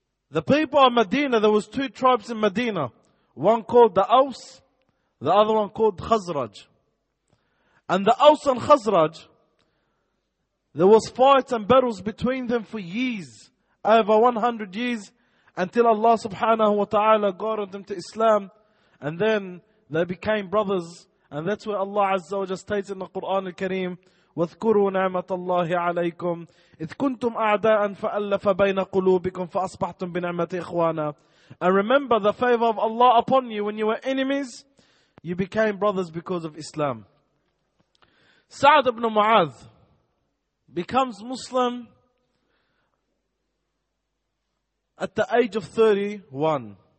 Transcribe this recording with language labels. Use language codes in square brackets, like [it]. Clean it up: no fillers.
[en] The people of Medina, there was two tribes in Medina. One called the Aws, the other one called Khazraj. And the Aws and Khazraj, there was fights and battles between them for years, over 100 years, until Allah subhanahu wa ta'ala guarded them to Islam, and then they became brothers. And that's where Allah azza wa jalla states in the Quran al-Kareem, [ar] وَاذْكُرُوا نِعْمَةَ اللَّهِ عَلَيْكُمْ إِذْ كُنْتُمْ أَعْدَاءً فَأَلَّفَ بَيْنَ قُلُوبِكُمْ فَأَصْبَحْتُمْ بِنِعْمَةِ إِخْوَانًا. [en] And remember the favor of Allah upon you when you were enemies, you became brothers because of Islam. Sa'd ibn Mu'adh becomes Muslim at the age of 31.